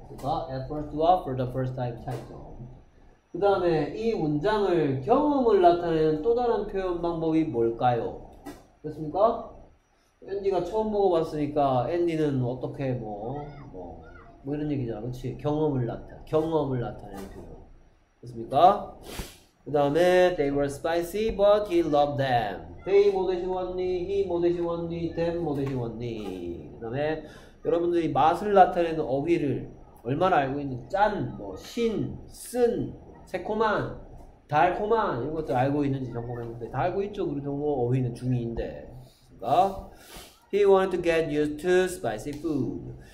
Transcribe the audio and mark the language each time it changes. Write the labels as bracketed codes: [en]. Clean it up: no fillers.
[ko] 나 [en] at first [ko] 와 [en] for the first time [ko] 차이죠. 그 다음에 이 문장을 경험을 나타내는 또 다른 표현 방법이 뭘까요? 됐습니까? 앤디가 처음 보고 봤으니까 앤디는 어떻게 뭐 이런 얘기잖아. 그렇지? 경험을 나타내는 표현. 됐습니까? 그 다음에 [en] they were spicy but he loved them. [ko] they 뭐 대신 왔니? he 뭐 대신 왔니? them 뭐 대신 왔니? 그 다음에 여러분들이 맛을 나타내는 어휘를 얼마나 알고 있는지 짠, 뭐 신, 쓴, 새콤한, 달콤한 이런 것들 알고 있는지 점검했는데 다 알고 있죠. 그 정도 어휘는 중2인데. 그러니까 [en] He wanted to get used to spicy food.